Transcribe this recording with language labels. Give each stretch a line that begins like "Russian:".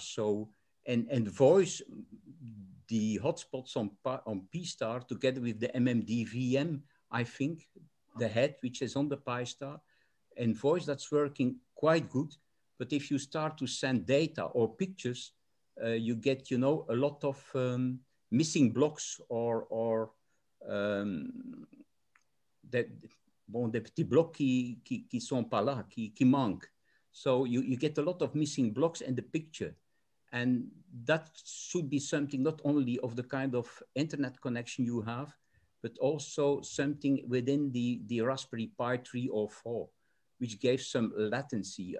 English: So and voice, the hotspots on PyStar together with the MMDVM, I think, the head, which is on the PyStar, and voice, that's working quite good. But if you start to send data or pictures, you get, you know, a lot of missing blocks or that.
French: Bon, des petits blocs qui sont pas là, qui manquent.
English: So you get a lot of missing blocks in the picture. And that should be something not only of the kind of internet connection you have, but also something within the Raspberry Pi 3 or 4, which gave some latency.